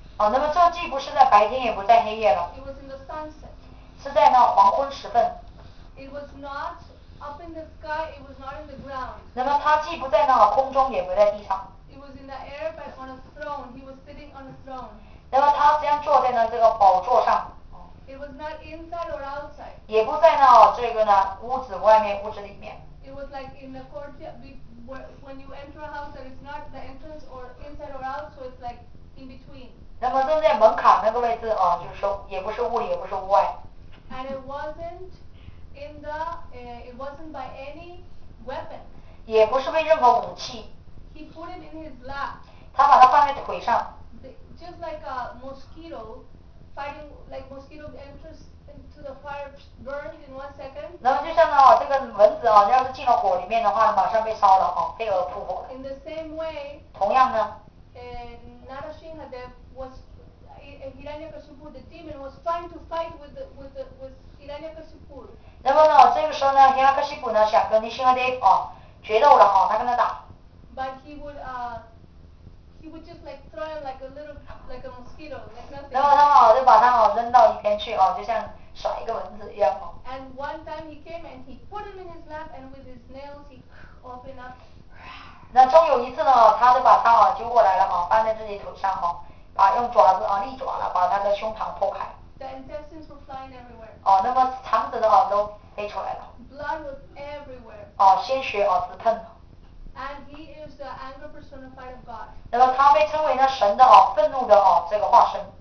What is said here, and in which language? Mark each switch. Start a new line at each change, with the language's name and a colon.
Chinese: 那么这既不是在白天也不在黑夜了。
English: It was in the sunset.
Chinese: 是在那黄昏时分。
English: It was not up in the sky, it was not in the ground.
Chinese: 那么他既不在那空中也不在地上。
English: It was in the air but on a throne, he was sitting on a throne.
Chinese: 那么他这样坐在呢这个宝座上。
English: It was not inside or outside.
Chinese: 也不在那这个呢屋子外面屋子里面。
English: It was like in the courtyard, when you enter a house that is not the entrance or inside or out, so it's like in between.
Chinese: 那么正在门槛那个位置就是说也不是屋里也不是屋外。
English: And it wasn't... In the, it wasn't by any weapon.
Chinese: 也不是被任何武器。
English: He put it in his lap.
Chinese: 他把它放在腿上。
English: Just like a mosquito fighting, like mosquito enters into the fire, burns in one second.
Chinese: 那么就像呢，这个蚊子要是进了火里面的话，马上被烧了飞蛾扑火。
English: In the same way.
Chinese: 同样呢。
English: Narasimha Dev was, Hiranyakashipu, the demon was trying to fight with the with Hiranyakashipu.
Chinese: 那么呢这个时候呢尼亚克西普呢想跟尼辛哈德决斗了他跟他打。
English: But he would, he he would just like throw him like a little, like a mosquito, like nothing.
Chinese: 然后他好就把他好扔到一边去哦，就像甩一个蚊子一样哦。
English: And one time he came and he put him in his lap and with his nails he opened up.
Chinese: 那终有一次呢，他就把他好揪过来了哦，放在自己头上哦，把用爪子啊利爪了，把他的胸膛破开。
English: The intestines were flying everywhere.
Chinese: 哦，那么肠子的话都飞出来了。
English: Blood was everywhere.
Chinese: 哦，鲜血哦直喷。
English: And he is the anger personified of God.
Chinese: 那么他被称为那神的哦，愤怒的哦，这个化身。